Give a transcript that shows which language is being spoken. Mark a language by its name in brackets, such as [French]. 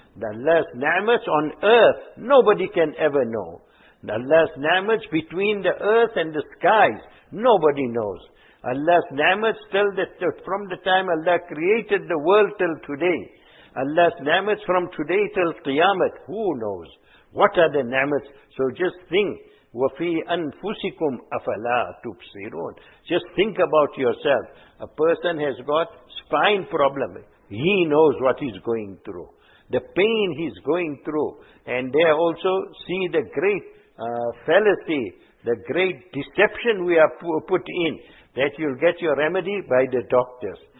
[English] Allah's ni'mats on earth, nobody can ever know. Allah's ni'mat between the earth and the skies, nobody knows. Allah's ni'mat till from the time Allah created the world till today. Allah's ni'mat from today till Qiyamah, who knows? What are the ni'mat? [Arabic] So just think, وَفِي أَنفُسِكُمْ أَفَلَا تُبْصِرُونَ. [English] Just think about yourself. A person has got spine problem. He knows what he's going through. The pain he's going through. And they also see the great fallacy, the great deception we are put in, that you'll get your remedy by the doctors.